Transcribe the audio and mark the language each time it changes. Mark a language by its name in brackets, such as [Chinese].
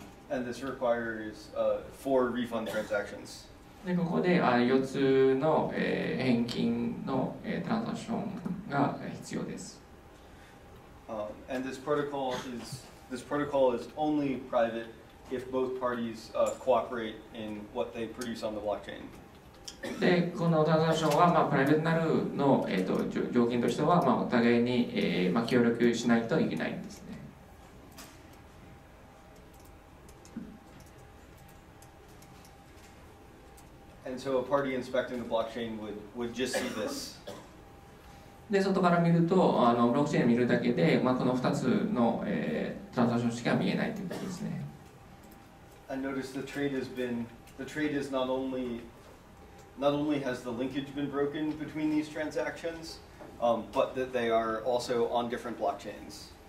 [English] And this requires four refund transactions. [Japanese] で、ここで4つの、返金の、トランザクションが必要です。 [English] And this protocol is only private if both parties cooperate in what they produce on the blockchain. [Japanese] で、このトランザクションは、プライベートになるの、条件としては、お互いに、協力しないといけないんですね。 [English] And so a party inspecting the blockchain would just see this. [Japanese] で、外から見ると、ブロックチェーンを見るだけで、この2つの、トランザクションしか見えないということですね。 [English] I noticed the trade has been, the trade is not only has the linkage been broken between these transactions, but that they are also on different blockchains.